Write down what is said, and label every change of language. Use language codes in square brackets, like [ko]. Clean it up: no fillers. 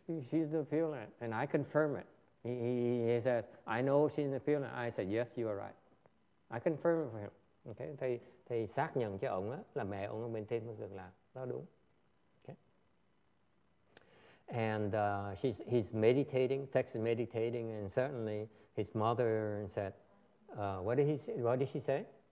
[en] She's the Pure Land, and I confirm it. He says, I know she's in the Pure Land. I said, yes, you are right. I confirm it for him. [vi] Okay, thầy xác nhận cho ông á là mẹ ông ở bên Tây Phương Cực Lạc, đó đúng. [en] And he's meditating, text meditating, and certainly his mother said, what did she say?